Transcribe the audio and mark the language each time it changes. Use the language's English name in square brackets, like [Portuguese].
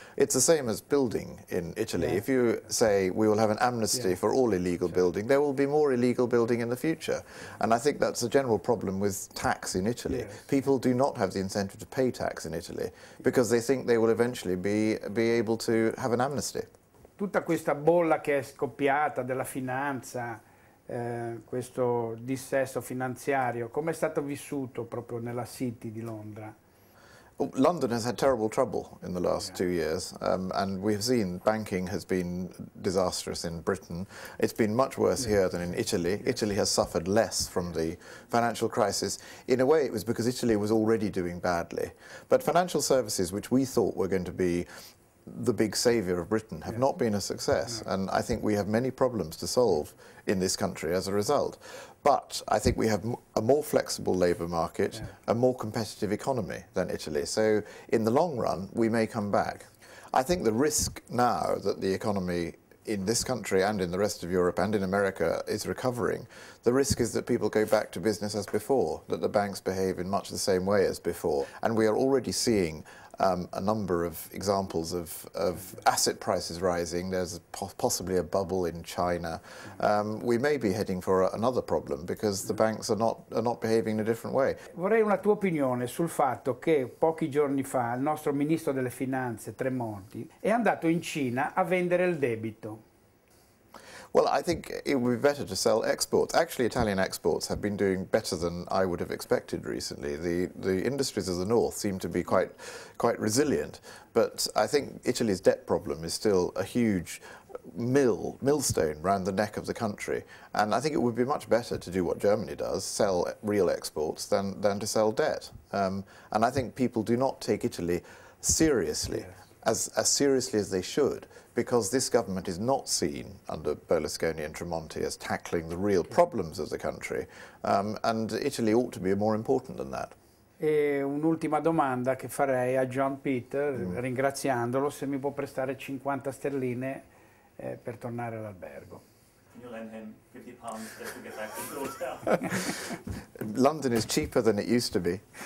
[English] It's the same as building in Italy. Yeah. If you say we will have an amnesty for all illegal building, there will be more illegal building in the future. And I think that's a general problem with tax in Italy. Yes. People do not have the incentive to pay tax in Italy because they think they will eventually be able to have an amnesty. [Italian] Tutta questa bolla che è scoppiata della finanza questo dissesto finanziario, come è stato vissuto proprio nella City di Londra? [English] London has had terrible trouble in the last 2 years, and we've seen banking has been disastrous in Britain. It's been much worse here than in Italy. Yes. Italy has suffered less from the financial crisis. In a way, it was because Italy was already doing badly. But financial services, which we thought were going to be the big saviour of Britain, have not been a success. No. And I think we have many problems to solve in this country as a result. But I think we have a more flexible labour market, a more competitive economy than Italy. So in the long run, we may come back. I think the risk now that the economy in this country and in the rest of Europe and in America is recovering, the risk is that people go back to business as before, that the banks behave in much the same way as before. And we are already seeing a number of examples of asset prices rising. There's possibly a bubble in China. We may be heading for another problem because the banks are not behaving in a different way. [Italian] Vorrei una tua opinione sul fatto che pochi giorni fa il nostro ministro delle finanze Tremonti è andato in Cina a vendere il debito. [English] Well, I think it would be better to sell exports. Actually, Italian exports have been doing better than I would have expected recently. The industries of the north seem to be quite resilient, but I think Italy's debt problem is still a huge millstone round the neck of the country. And I think it would be much better to do what Germany does, sell real exports, than to sell debt. And I think people do not take Italy seriously, as seriously as they should, because this government is not seen under Berlusconi and Tremonti as tackling the real problems of the country, and Italy ought to be more important than that. [Italian] E un'ultima domanda che farei a John Peter, ringraziandolo, se mi può prestare 50 sterline per tornare all'albergo. [English] Can you lend him £50 to get back to the hotel? London is cheaper than it used to be.